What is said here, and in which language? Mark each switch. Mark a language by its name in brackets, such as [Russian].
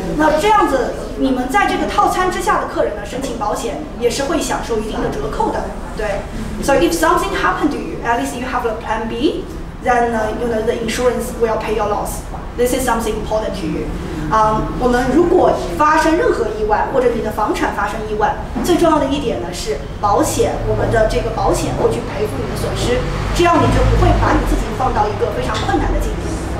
[Chinese] 那这样子，你们在这个套餐之下的客人呢，申请保险也是会享受一定的折扣的。对。 [English] So if something happened to you, at least you have a plan B. Then you know the insurance will pay your loss. This is something important to you. [Chinese] 我们如果发生任何意外，或者你的房产发生意外，最重要的一点呢是保险，我们的这个保险会去赔付你的损失，这样你就不会把你自己放到一个非常困难的境地。